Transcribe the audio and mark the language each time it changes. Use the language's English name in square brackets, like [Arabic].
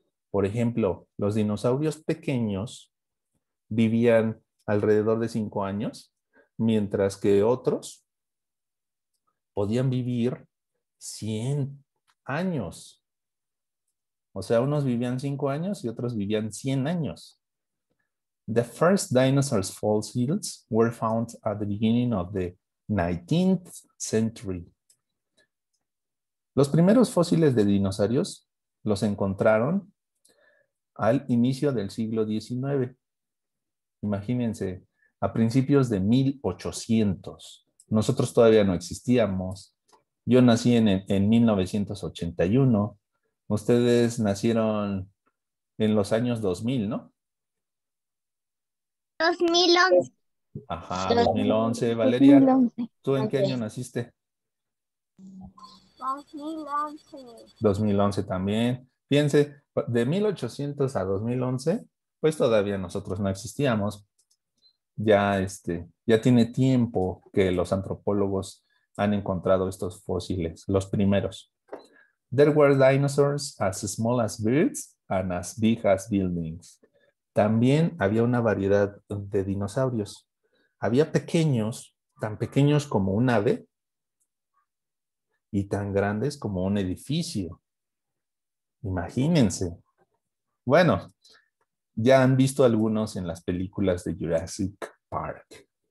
[Spanish] Por ejemplo, los dinosaurios pequeños vivían alrededor de 5 años, mientras que otros podían vivir 100 años. O sea, unos vivían 5 años y otros vivían 100 años. [English] The first dinosaurs fossils were found at the beginning of the 19th century. [Spanish] Los primeros fósiles de dinosaurios los encontraron al inicio del siglo XIX. Imagínense, a principios de 1800. Nosotros todavía no existíamos. Yo nací en 1981. Ustedes nacieron en los años 2000, ¿no? 2011. Ajá, 2011. Valeria, 2011. ¿Tú en qué año naciste? 2011. 2011 también. Fíjense, de 1800 a 2011, pues todavía nosotros no existíamos. Ya tiene tiempo que los antropólogos han encontrado estos fósiles, los primeros. [English] There were dinosaurs as small as birds and as big as buildings. [Spanish] También había una variedad de dinosaurios. Había pequeños, tan pequeños como un ave y tan grandes como un edificio. Imagínense. Bueno, ya han visto algunos en las películas de Jurassic Park.